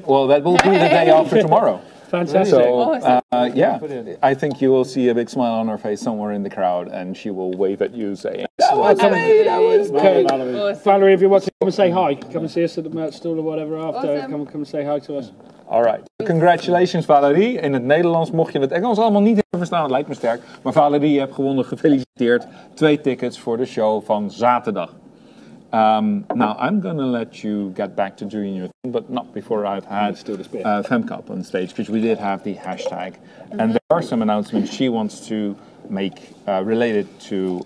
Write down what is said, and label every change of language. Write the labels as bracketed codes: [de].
[en] Well, that will be the day after tomorrow. Fantastic. So, I think you will see a big smile on her face somewhere in the crowd, and she will wave at you saying, Valerie, if you're watching, come and say hi. Come and see us at the merch store or whatever after. Awesome. Come and say hi to us. All right. Congratulations, Valerie. [nl] In het Nederlands mocht je het Engels allemaal niet hebben verstaan, het lijkt me sterk. Maar Valerie, je hebt gewonnen. Gefeliciteerd. 2 tickets voor de show van zaterdag. [en] Now, I'm going to let you get back to doing your thing, but not before I've had Femke up on stage, because we did have the hashtag. And there are some announcements she wants to make related to...